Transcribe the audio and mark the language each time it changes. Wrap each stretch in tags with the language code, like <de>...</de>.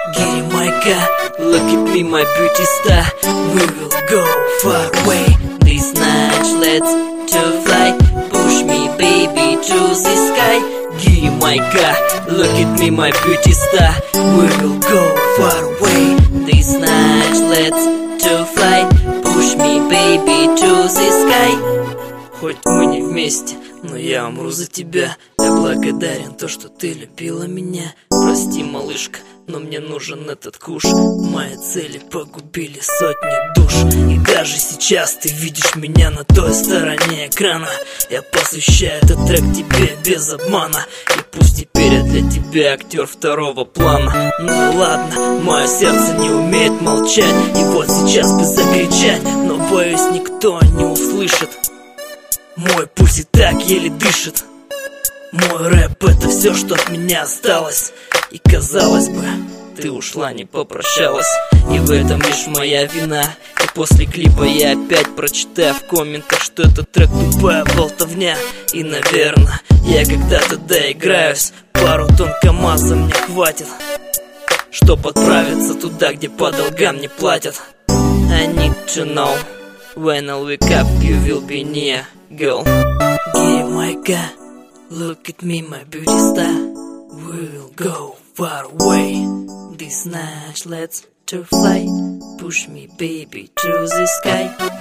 <en>Give me my car, look at me, my beauty star. We will go far away this night, let's to fly. Push me, baby, to the sky. Give me my car, look at me, my beauty star. We will go far away this night, let's to fly. Push me, baby, to the sky.</en> <ru>Хоть мы не вместе, но я умру за тебя. Я благодарен то, что ты любила меня. Прости, малышка, но мне нужен этот куш. Мои цели погубили сотни душ. И даже сейчас ты видишь меня на той стороне экрана. Я посвящаю этот трек тебе без обмана. И пусть теперь я для тебя актер второго плана. Ну ладно, мое сердце не умеет молчать. И вот сейчас бы закричать, но боюсь, никто не услышит. Мой пульс и так еле дышит. Мой рэп — это все, что от меня осталось. И казалось бы, ты ушла, не попрощалась. И в этом лишь моя вина. И после клипа я опять прочитаю в комментах, что этот трек — тупая болтовня. И, наверное, я когда-то доиграюсь. Пару тонн КамАЗа мне хватит, чтоб отправиться туда, где по долгам не платят.</ru> <en>I need to know, when I'll wake up, you will be near. Girl, give my car, look at me, my beauty star. We'll go far away this night, let's to fly. Push me, baby, to the sky.</en>